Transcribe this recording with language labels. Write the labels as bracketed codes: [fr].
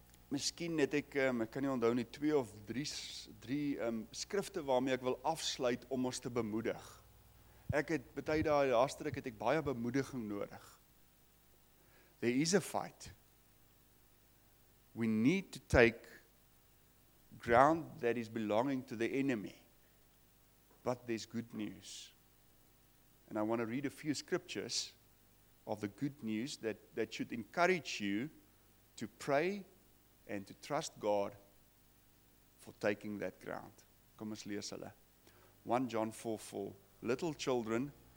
[af] Miskien het ek, ek kan nie onthou nie, twee of drie skrifte waarmee ek wil afsluit om ons te bemoedig. Ek het baie daai laaste ruk het ek baie bemoediging nodig. [en] There is a fight. We need to take ground that is belonging to the enemy. But there's good news. And I want to read a few scriptures of the good news that should encourage you to pray and to trust God for taking that ground. [af] Kom ons lees hulle. [en] 1 John 4:4. Little children,